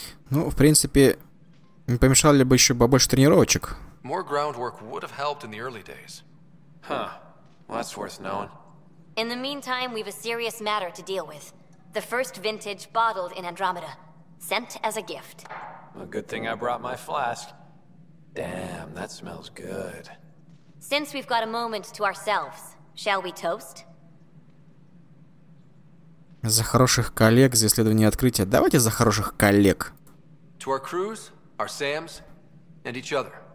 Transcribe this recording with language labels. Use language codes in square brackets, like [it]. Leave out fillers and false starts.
[ru] Ну, в принципе, не помешало ли бы еще побольше тренировочек? [en] More groundwork would have helped in the early days. Huh. Well, that's worth knowing. In the meantime, we've a serious matter to deal with. The first vintage bottled in Andromeda. Sent as a gift. Well, good thing I brought my flask. Damn, that smells good. Since we've got a moment to ourselves, shall we toast? [ru] За хороших коллег, за исследование открытия. Давайте за хороших коллег. [en] To our crews, our Sams, and each other.